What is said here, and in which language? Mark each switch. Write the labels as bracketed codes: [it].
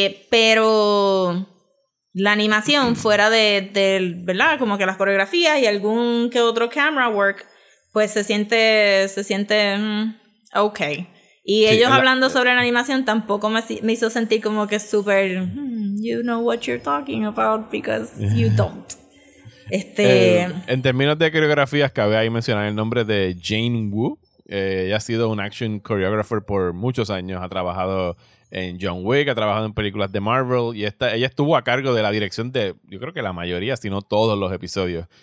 [es] Pero la animación, fuera de, ¿verdad? Como que las coreografías y algún que otro camera work, pues se siente ok. Y sí, ellos hablando sobre la animación tampoco me hizo sentir como que súper... [en] You know what you're talking about because you don't. [es] En términos de coreografías, cabe ahí mencionar el nombre de Jane Wu. Ella ha sido un action choreographer por muchos años. Ha trabajado en John Wick, ha trabajado en películas de Marvel. Y ella estuvo a cargo de la dirección de, yo creo que la mayoría, si no todos los episodios.